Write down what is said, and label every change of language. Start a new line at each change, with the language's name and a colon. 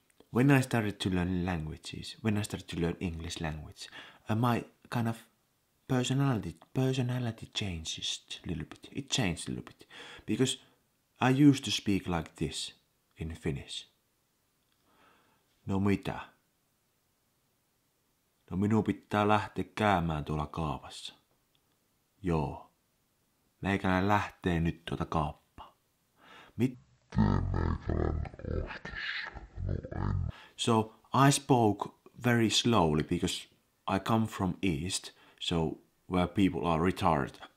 English: When I started to learn languages, when I started to learn English language, my kind of personality changed a little bit. It changed a little bit. Because I used to speak like this in Finnish.
Finnish: No mitä. No minun pitää lähteä käymään tuolla kaupassa. Joo. Meikäläinen lähtee nyt tuota kauppaa.
English: So I spoke very slowly because I come from East, so where people are retarded.